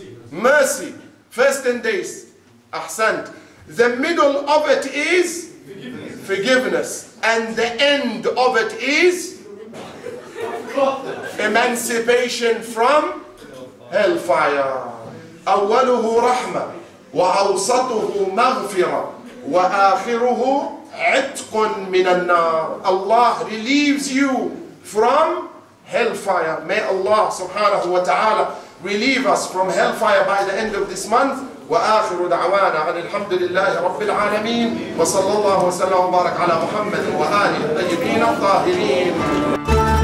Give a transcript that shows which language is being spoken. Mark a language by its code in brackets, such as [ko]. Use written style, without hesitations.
[en] mercy. First 10 days, [ar] ahsant. [en] The middle of it is forgiveness. And the end of it is emancipation from hellfire. [ar] أوله رحمة وأوسطه مغفرة وآخره عتق من النار. [en] Allah relieves you from hellfire. May Allah subhanahu wa ta'ala relieve us from hellfire by the end of this month. [ar] وآخر دعوانا عن الحمد لله رب العالمين وصلى الله وسلم وبارك على محمد وآله الطيبين الطاهرين.